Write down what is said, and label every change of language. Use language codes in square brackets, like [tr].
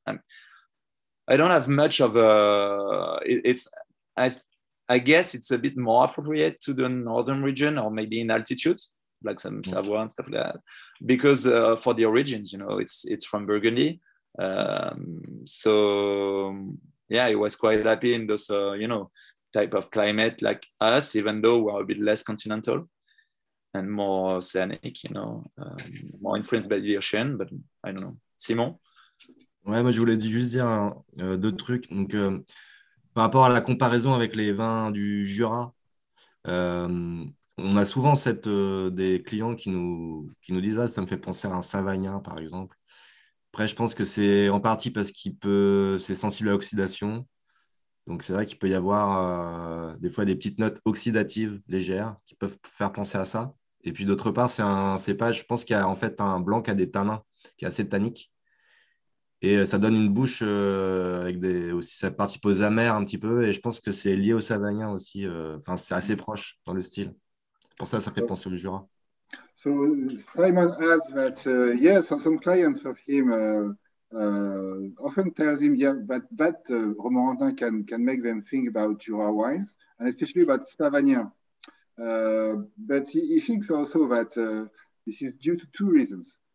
[en] And I don't have much of a, I guess it's a bit more appropriate to the northern region or maybe in altitudes, like some Savoie and stuff like that, because for the origins, you know, it's from Burgundy. So yeah, he was quite happy in this, you know, type of climate like us, even though we're a bit less continental and more scenic, you know, more influenced by the ocean, but I don't know. Simon? [fr] Ouais, moi, je voulais juste dire deux trucs. Donc, par rapport à la comparaison avec les vins du Jura, on a souvent cette, des clients qui nous disent « Ah, ça me fait penser à un Savagnin, par exemple. » Après, je pense que c'est en partie parce qu'il peut, c'est sensible à l'oxydation. Donc, c'est vrai qu'il peut y avoir des fois des petites notes oxydatives légères qui peuvent faire penser à ça. Et puis, d'autre part, c'est un cépage, je pense qu'il y a en fait un blanc qui a des tanins, qui est assez tannique. Et ça donne une bouche avec des, aussi ça participe aux amers un petit peu. Et je pense que c'est lié au Savagnin aussi. Enfin, c'est assez proche dans le style. Pour ça, ça fait penser au Jura. [en] So Simon adds that yes, some clients of him often tells him that Romorantin can make them think about Jura wines and especially about Savagnin. But he thinks also that this is due to two reasons.